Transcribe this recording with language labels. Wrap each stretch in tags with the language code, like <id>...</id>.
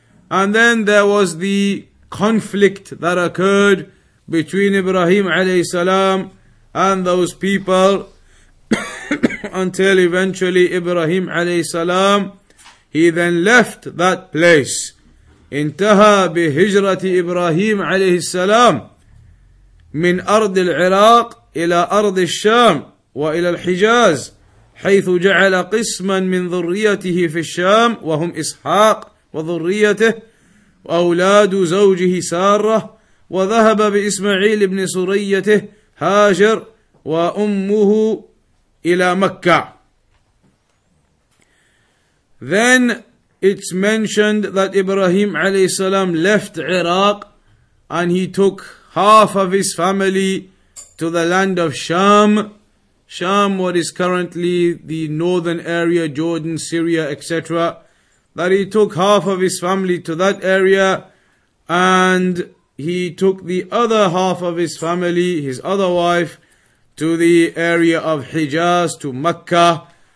<en>And then there was the conflict that occurred between Ibrahim alayhi salam and those people until eventually Ibrahim alayhi salam, he then left that place.</en> <ar>انتهى بهجرة إبراهيم عليه السلام من أرض العراق إلى أرض الشام وإلى الحجاز حيث جعل قسما من ذريته في الشام وهم إسحاق وذريته وأولاد زوجه سارة وذهب بإسماعيل ابن سريته هاجر وأمه إلى مكة.</ar> <en>Then it's mentioned that Ibrahim عليه السلام left Iraq and he took half of his family to the land of Sham. Sham, what is currently the northern area, Jordan, Syria, etc., that he took half of his family to that area, and he took the other half of his family, his other wife, to the area of Hijaz, to Mecca.</en>